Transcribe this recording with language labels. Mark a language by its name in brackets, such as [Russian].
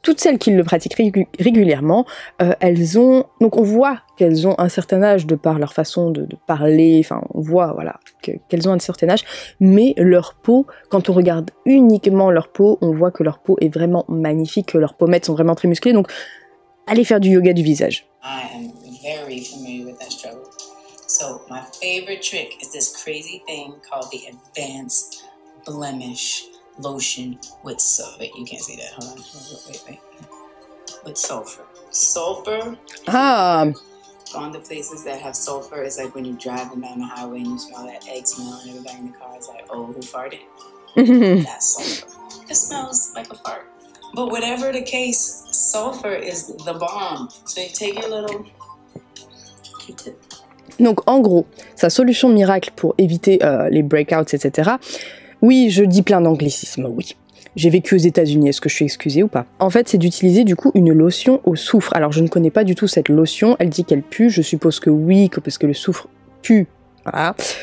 [French] Toutes celles qui le pratiquent régulièrement, elles ont... Donc on voit qu'elles ont un certain âge de par leur façon de parler, enfin on voit qu'elles ont un certain âge, mais leur peau, quand on regarde uniquement leur peau, on voit que leur peau est vraiment magnifique, que leurs pommettes sont vraiment très musclées, donc allez faire du yoga du visage. [English] I am very familiar with that struggle. So my favorite trick is this crazy thing called the Advanced Blemish Lotion with sulfur. You can't say that, hold on, with sulfur. Sulfur? Ah! On the places that have sulfur, it's like when you're driving down the highway and you smell that egg smell and everybody in the car is like, oh, who farted? That's sulfur. It smells like a fart. But whatever the case, sulfur is the bomb. So you take your little Q-tip. [French] Donc en gros, sa solution miracle pour éviter les breakouts, etc. Oui, je dis plein d'anglicismes, oui. J'ai vécu aux États-Unis, est-ce que je suis excusée ou pas? En fait, c'est d'utiliser du coup une lotion au soufre. Alors, je ne connais pas du tout cette lotion, elle dit qu'elle pue, je suppose que oui, parce que le soufre pue. Voilà.